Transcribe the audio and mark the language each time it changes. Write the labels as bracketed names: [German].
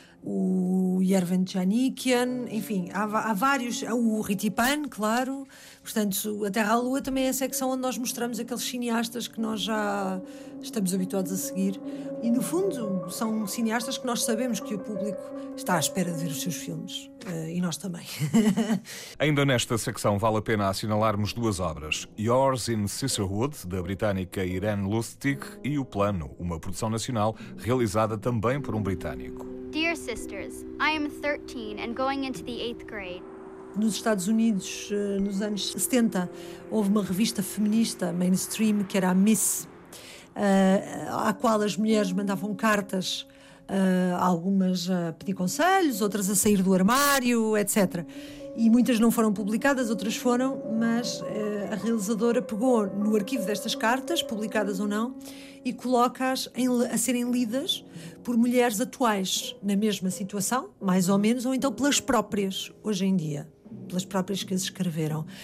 [Portuguese] o Yervan Chanikian, enfim, há vários, há o Ritipan, claro, portanto, a Terra à Lua também é a secção onde nós mostramos aqueles cineastas que nós já estamos habituados a seguir, e no fundo são cineastas que nós sabemos que o público está à espera de ver os seus filmes, e nós também. Ainda nesta secção vale a pena assinalarmos duas obras, Yours in Sisterhood, da britânica Irene Lustig, e O Plano, uma produção nacional realizada também por um britânico. [English] Dear sisters, I am 13 and going into the 8th grade. [Portuguese] Nos Estados Unidos, nos anos 70, houve uma revista feminista mainstream que era a Miss, à qual as mulheres mandavam cartas, algumas a pedir conselhos, outras a sair do armário, etc. E muitas não foram publicadas, outras foram, mas a realizadora pegou no arquivo destas cartas, publicadas ou não, e coloca-as a serem lidas por mulheres atuais na mesma situação, mais ou menos, ou então pelas próprias, hoje em dia, pelas próprias que as escreveram.